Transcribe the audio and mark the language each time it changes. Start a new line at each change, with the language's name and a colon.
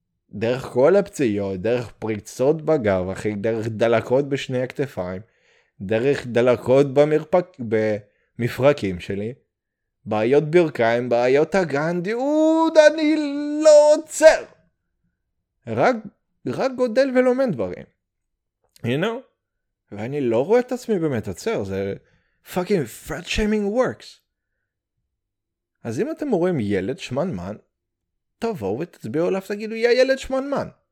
Hebrew: דרך כל הפציעות, דרך פריצות בגב, אחי, דרך דלקות בשני הכתפיים, דרך דלקות במפרקים שלי, בעיות ברכיים, בעיות אגן, דוד, אני לא עוצר. רק גודל ולומד דברים.
English: You know?
Hebrew: ואני לא רואה את עצמי באמת עוצר, זה...
English: fucking fat shaming works.
Hebrew: אז אם אתם רואים ילד שמנמן, תבואו ותצביעו עליו, תגידו, יא ילד שמנמן.